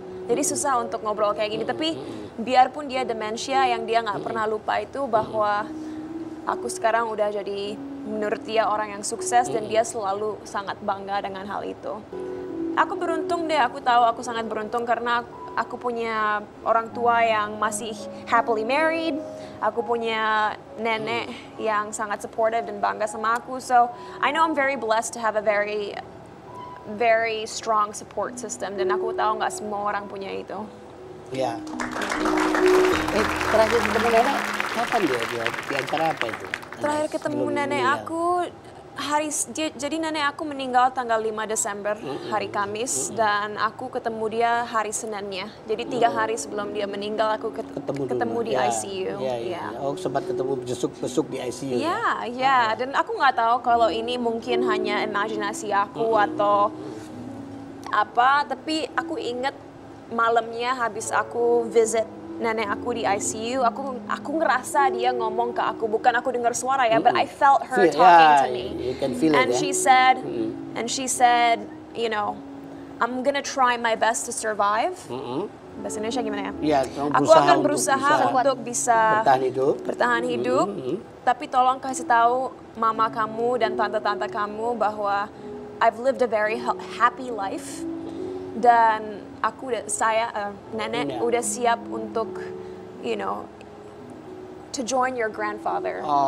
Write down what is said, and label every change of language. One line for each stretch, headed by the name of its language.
Indonesian: Jadi susah untuk ngobrol kayak gini, tapi biarpun dia demensia, yang dia nggak pernah lupa itu bahwa aku sekarang udah jadi menurut dia orang yang sukses dan dia selalu sangat bangga dengan hal itu. Aku beruntung deh, aku tahu aku sangat beruntung karena aku punya orang tua yang masih
English: happily married.
Indonesian: Aku punya nenek yang sangat supportive dan bangga sama aku.
English: So, I know I'm very blessed to have a very, very strong support system.
Indonesian: Dan aku tahu nggak semua orang punya itu. Iya. Terakhir ketemu nenek, kapan dia? Di antara apa itu? Terakhir ketemu nenek aku, jadi nenek aku meninggal tanggal 5 Desember, hari Kamis. Dan aku ketemu dia hari Seninnya. Jadi 3 hari sebelum dia meninggal, aku ketemu di ICU. Oh, sempat ketemu besuk-besuk di ICU. Dan aku nggak tahu kalau ini mungkin hanya imajinasi aku atau apa. Tapi aku ingat malamnya habis aku visit nenek aku di ICU, aku ngerasa dia ngomong ke aku, bukan aku dengar suara ya,
English: but I felt her talking to me. You can feel and it, she said, and she said, you know, I'm gonna try my best to survive.
Indonesian: Bahasa Indonesia gimana ya? Aku akan berusaha untuk bisa bertahan hidup. Tapi tolong kasih tahu mama kamu dan tante-tante kamu bahwa
English: I've lived a very happy life
Indonesian: dan aku udah, nenek udah siap untuk,
English: you know, to join your grandfather.